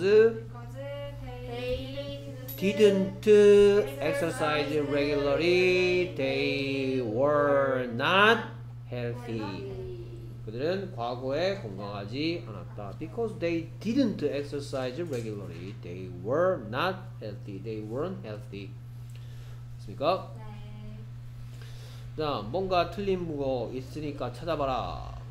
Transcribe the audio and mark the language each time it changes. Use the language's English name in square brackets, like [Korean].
[English] they didn't exercise regularly, they were not healthy. [Korean] 그들은 과거에 건강하지 않았다. [English] Because they didn't exercise regularly, they were not healthy. They weren't healthy. [Korean] 됐습니까? 네. 자, 뭔가 틀린 거 있으니까 찾아봐라.